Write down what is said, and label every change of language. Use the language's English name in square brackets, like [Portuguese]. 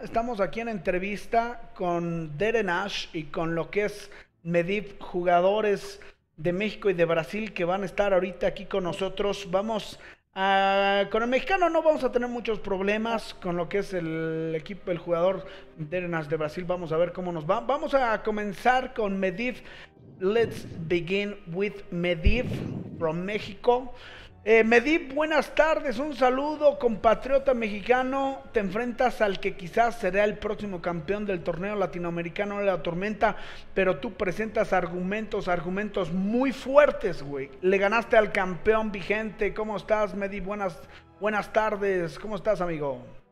[Spanish] Estamos aquí en entrevista con Deren Ash y con lo que es Medip, jugadores de México y de Brasil, que van a estar ahorita aquí con nosotros. Vamos a... con el mexicano no vamos a tener muchos problemas, con lo que es el equipo, el jugador Derenas de Brasil. Vamos a ver cómo nos va. Vamos a comenzar con Medif. [English] Let's begin with Medif from México. [Spanish] Medif, buenas tardes, un saludo, compatriota mexicano. Te enfrentas al que quizás será el próximo campeón del torneo latinoamericano de la Tormenta, pero tú presentas argumentos muy fuertes, güey. Le ganaste al campeón vigente. ¿Cómo estás, Medif? Buenas tardes, ¿cómo estás, amigo?